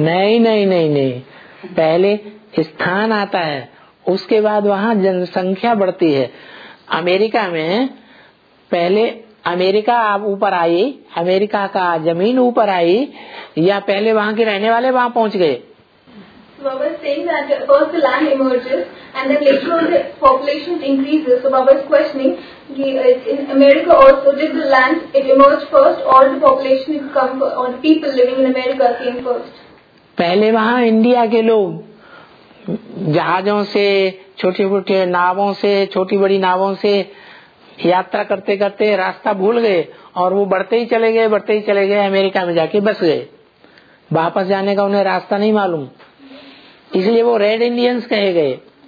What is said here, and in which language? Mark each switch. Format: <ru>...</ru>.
<hi>नहीं नहीं नहीं नहीं, पहले स्थान आता है उसके बाद वहाँ जनसंख्या बढ़ती है। अमेरिका में पहले अमेरिका आप ऊपर आई, अमेरिका का जमीन ऊपर आई, या पहले वहाँ के रहने वाले वहाँ पहुँच गए?</hi> <en>Baba is saying that first the land emerges and then later on the population increases. So Baba is questioning in America also, did the land it emerge first or the population come or the people living in America came first?</en> <hi>पहले वहाँ India के लोग जहाजों से, छोटे छोटे नावों से, छोटी बड़ी नावों से यात्रा करते करते रास्ता भूल गए और वो बढ़ते ही चले गए, बढ़ते ही चले गए, अमेरिका में जाके बस गए। वापस जाने का उन्हें रास्ता नहीं मालूम, इसलिए वो रेड इंडियंस कहे गए।</hi>